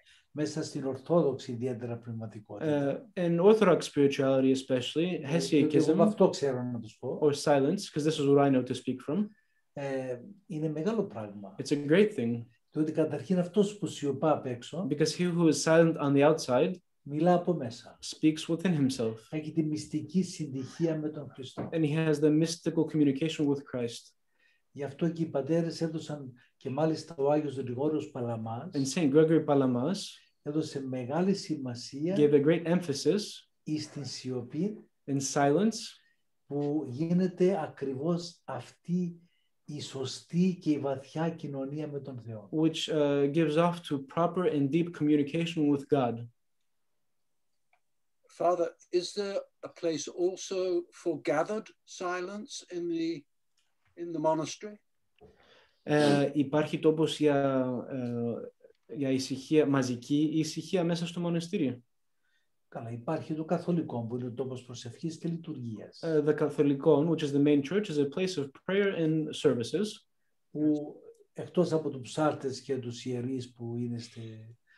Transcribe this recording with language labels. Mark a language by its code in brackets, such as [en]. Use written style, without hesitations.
[el] μέσα στην Ορθόδοξη ιδιαίτερα πνευματικότητα. [en] In Orthodox spirituality especially, hesychism, or silence, because this is what I know to speak from. [el] Είναι μεγάλο πράγμα. [en] It's a great thing. [el] Διότι καταρχήν αυτός που σιωπά απ' έξω, [en] because he who is silent on the outside, [el] μιλά από μέσα. [en] Speaks within himself. [el] Έχει τη μυστική συντυχία με τον Χριστό. [en] And he has the mystical communication with Christ. [el] Γι' αυτό και οι πατέρες έδωσαν και μάλιστα ο Άγιος Γρηγόριος Παλαμάς. [en] And Saint Gregory Palamas [el] έδωσε μεγάλη σημασία. [en] Gave a great emphasis. [el] Στην σιωπή. [en] In silence. [el] Που γίνεται ακριβώς αυτή η σωστή και η βαθιά κοινωνία με τον Θεό. [en] Which gives off to proper and deep communication with God. Father, is there a place also for gathered silence in the monastery? [el] Υπάρχει τόπος για ησυχία, μαζική ησυχία μέσα στο μοναστήριο. Καλά, υπάρχει το καθολικό που είναι ο τόπος προσευχής και λειτουργίας. [en] The Catholicon, which is the main church, is a place of prayer and services. [el] Που εκτός από τους ψάρτες και τους ιερείς που είναι στη...